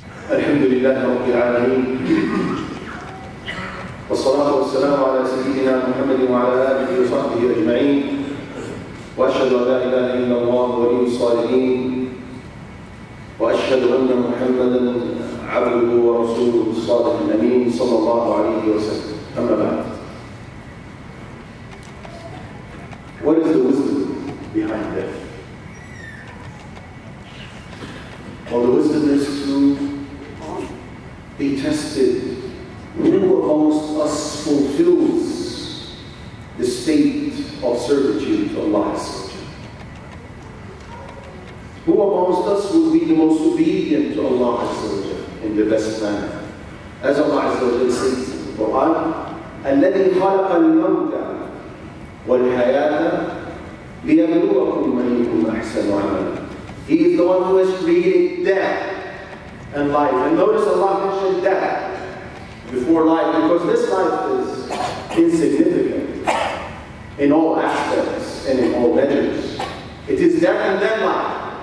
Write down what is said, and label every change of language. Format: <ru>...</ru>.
<ar>الحمد لله رب العالمين، والصلاة والسلام على سيدنا محمد وعلى آله وصحبه أجمعين، وأشهد أن لا إله إلا الله ولي الصالحين، وأشهد أن محمدا عبده ورسوله الصادق الأمين صلى الله عليه وسلم. أما بعد،</ar> <en>what is the wisdom behind death? Well, the wisdom is to be tested. Who amongst us fulfills the state of servitude to Allah? Who amongst us will be the most obedient to Allah in the best manner? As Allah says in the Quran,</en> <ar>الَّذِي خَلَقَ الْمَوْتَ وَالْحَيَاةَ لِيَبْلُوَكُمْ أَيُّكُمْ أَحْسَنُ عَمَلًا.</ar> <en>He is the one who has created death and life. And notice Allah mentioned death before life, because this life is insignificant in all aspects and in all measures. It is death and then life.</en>